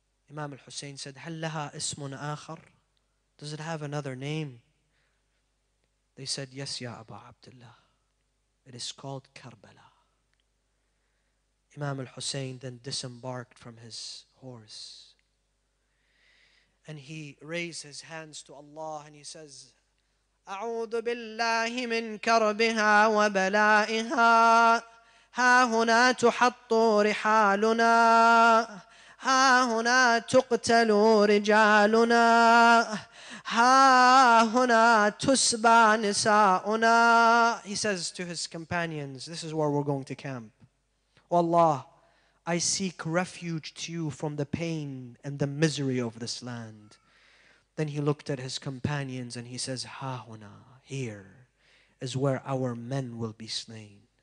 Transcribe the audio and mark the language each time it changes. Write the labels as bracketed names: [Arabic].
[English] Imam al-Hussein said, [Arabic] هَلْ لَهَا إِسْمٌ آخَرٌ, [English] does it have another name? They said, yes, [Arabic] يَا أَبَا عَبْدِ اللَّهِ, [English] it is called Karbala. Imam al-Hussein then disembarked from his horse. And he raised his hands to Allah and he says, [Arabic] أَعُوذُ بِاللَّهِ مِنْ كَرْبِهَا وَبَلَائِهَا هَا هُنَا تُحَطُّ رِحَالُنَا هَا هُنَا تُقْتَلُ رِجَالُنَا هَا هُنَا تُسْبَى نِسَاؤُنَا. [English] He says to his companions, this is where we're going to camp. Wallah, I seek refuge to you from the pain and the misery of this land. Then he looked at his companions and he says, [Arabic] Ha huna, [English] here is where our men will be slain.